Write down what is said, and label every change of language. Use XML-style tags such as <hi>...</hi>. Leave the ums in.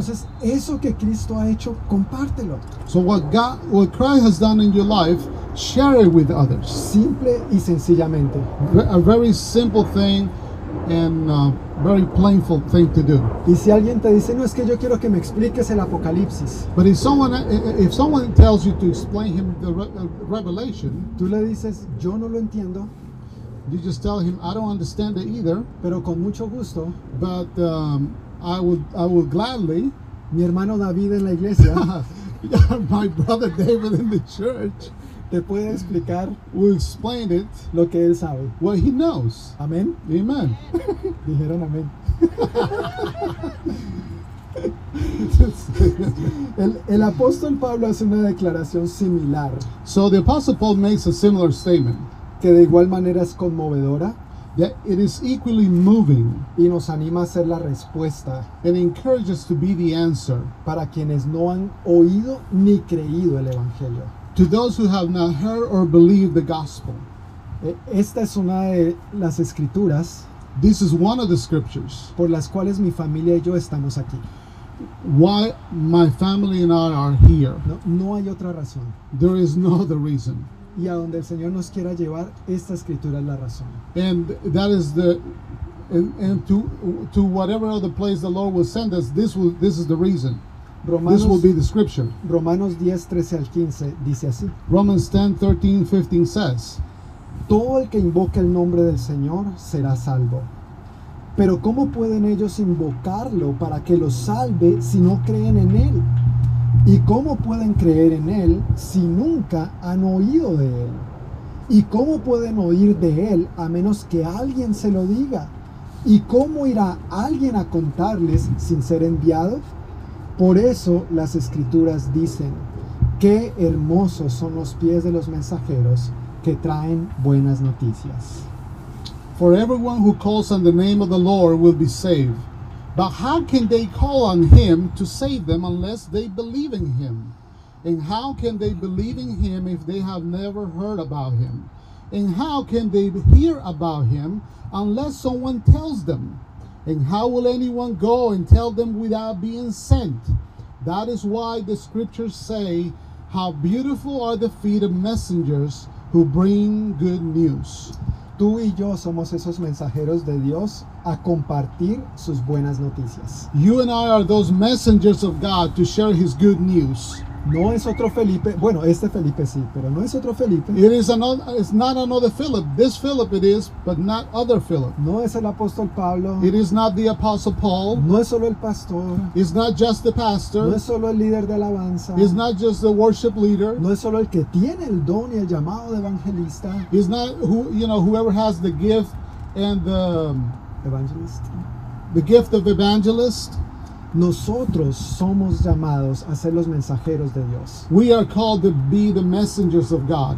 <es>Entonces, eso que Cristo ha hecho, compártelo.</es> <en>So what God, what Christ has done in your life, share it with others.</en> <es>Simple y sencillamente.</es> <en>A very simple thing and a very plainful thing to do.</en> <es>Y si alguien te dice, no es que yo quiero que me expliques el Apocalipsis.</es> <en>But if someone if someone tells you to explain him the revelation,</en> <es>tú le dices, yo no lo entiendo</es> <en>you just tell him I don't understand it either.</en> <es>Pero con mucho gusto.</es> <en>But um, I would I would gladly.</en> <es>Mi hermano David en la iglesia.</es> <en>my brother David in the church.</en> <es>Te puede explicar.</es> <en>Will explain it.</en> <es>Lo que él sabe.</es> <en>What he knows.</en> <es>Amen. Amen. Dijeron amén. el, el apóstol Pablo hace una declaración similar.</es> <en>So the apostle Paul makes a similar statement</en> <es>que de igual manera es conmovedora.</es> <en>Yeah, it is equally moving.</en> <es>Y nos anima a ser la respuesta.</es> <en>It encourages to be the answer.</en> <es>Para quienes no han oído ni creído el Evangelio.</es> <en>To those who have not heard or believed the gospel.</en> <es>Esta es una de las escrituras.</es> <en>This is one of the scriptures.</en> <es>Por las cuales mi familia y yo estamos aquí.</es> <en>Why my family and I are here.</en> <es>No, no hay otra razón.</es> <en>There is no other reason</en> <es>y a donde el Señor nos quiera llevar, esta escritura es la razón.</es> <en>And that is the and, and, to to whatever other place the Lord will send us, this will, this is the reason.</en> <es>Romanos,</es> <en>this will be the scripture.</en> <es>Romanos 10, 13 al 15 dice así. 10, 13, 15 says, Todo el que invoque el nombre del Señor será salvo. Pero ¿cómo pueden ellos invocarlo para que lo salve si no creen en él? ¿Y cómo pueden creer en Él si nunca han oído de Él? ¿Y cómo pueden oír de Él a menos que alguien se lo diga? ¿Y cómo irá alguien a contarles sin ser enviado? Por eso las escrituras dicen, qué hermosos son los pies de los mensajeros que traen buenas noticias.</es> <en>For everyone who calls on the name of the Lord will be saved. But how can they call on him to save them unless they believe in him? And how can they believe in him if they have never heard about him? And how can they hear about him unless someone tells them? And how will anyone go and tell them without being sent? That is why the scriptures say, How beautiful are the feet of messengers who bring good news.</en> <es>Tú y yo somos esos mensajeros de Dios. A compartir sus buenas noticias.</es> <en>You and I are those messengers of God to share his good news.</en> <es>No es otro Felipe, bueno, este Felipe sí, pero no es otro Felipe.</es> <en>It is another, it's not another Philip. This Philip it is, but not other Philip.</en> <es>No es el apóstol Pablo.</es> <en>It is not the apostle Paul.</en> <es>No es solo el pastor.</es> <en>It's not just the pastor.</en> <es>No es solo el líder de alabanza.</es> <en>It's not just the worship leader.</en> <es>No es solo el que tiene el don el llamado evangelista.</es> <en>It's not who, you know, whoever has the gift and the evangelist. The gift of evangelist.</en> <es>Nosotros somos llamados a ser los mensajeros de Dios.</es> <en>We are called to be the messengers of God.</en>